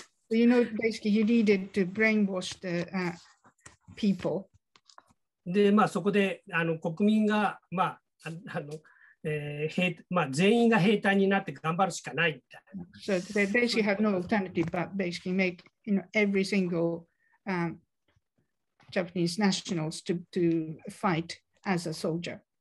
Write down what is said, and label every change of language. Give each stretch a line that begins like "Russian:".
English: You know, basically you needed to brainwash the people.
Japanese: で、まあ、そこで国民が、まあ、まあ、全員が兵隊になって頑張るしかないみたいな。
English: So they basically have no alternative but basically make, you know, every single Japanese nationals to fight as a soldier.